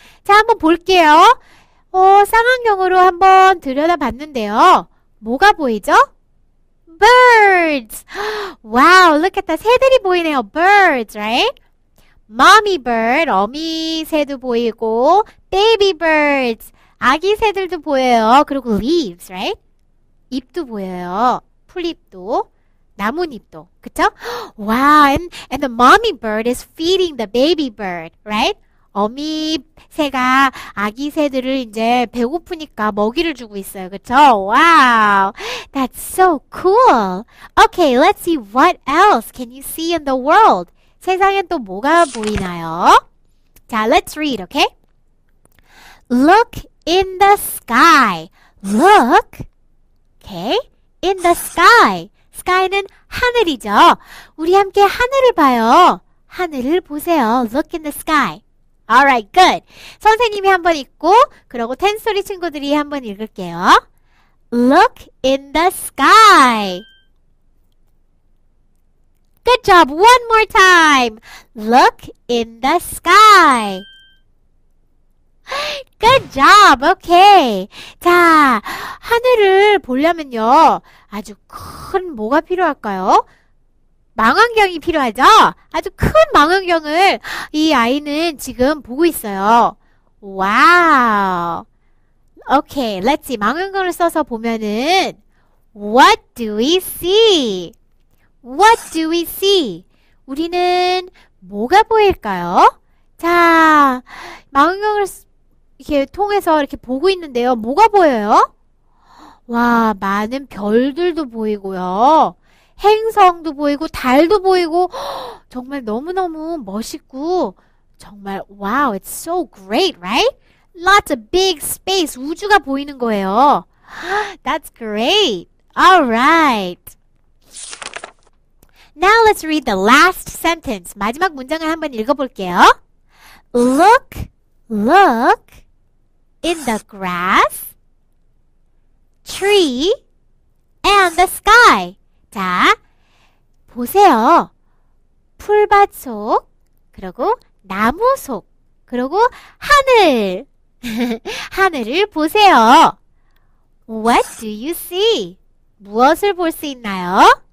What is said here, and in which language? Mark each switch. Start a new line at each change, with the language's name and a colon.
Korean: 자, 한번 볼게요. 쌍안경으로 한번 들여다봤는데요. 뭐가 보이죠?
English: Birds! Wow, look at that.
Korean: 새들이 보이네요.
English: Birds, right? Mommy bird,
Korean: 어미 새도 보이고,
English: baby birds,
Korean: 아기 새들도 보여요. 그리고
English: leaves, right?
Korean: 잎도 보여요. 풀잎도. 나뭇잎도, 그쵸?
English: Wow, and the mommy bird is feeding the baby bird, right? 어미 새가 아기 새들을 이제 배고프니까 먹이를 주고 있어요, 그쵸? Wow, that's so cool. Okay, let's see what else can you see in the world?
Korean: 세상엔 또 뭐가 보이나요?
English: 자, let's read, okay? Look in the sky. Look, okay, in the sky.
Korean: Sky는 하늘이죠. 우리 함께 하늘을 봐요. 하늘을 보세요.
English: Look in the sky. Alright, good.
Korean: 선생님이 한번 읽고 그리고 텐스토리 친구들이 한번 읽을게요.
English: Look in the sky. Good job. One more time. Look in the sky. Good job. Okay.
Korean: 자, 하늘을 보려면요. 아주 큰 뭐가 필요할까요? 망원경이 필요하죠? 아주 큰 망원경을 이 아이는 지금 보고 있어요.
English: 와우. Okay, let's see.
Korean: 망원경을 써서 보면은,
English: What do we see? What do we see?
Korean: 우리는 뭐가 보일까요? 자, 망원경을 이렇게 통해서 이렇게 보고 있는데요. 뭐가 보여요? 와, 많은 별들도 보이고요. 행성도 보이고, 달도 보이고, 정말 너무너무 멋있고, 정말,
English: wow, it's so great, right? Lots of big space,
Korean: 우주가 보이는 거예요.
English: That's great. All right. Now let's read the last sentence.
Korean: 마지막 문장을 한번 읽어볼게요.
English: Look, look in the grass, tree, and the sky.
Korean: 자, 보세요. 풀밭 속, 그리고 나무 속, 그리고 하늘. 하늘을 보세요.
English: What do you see?
Korean: 무엇을 볼수 있나요?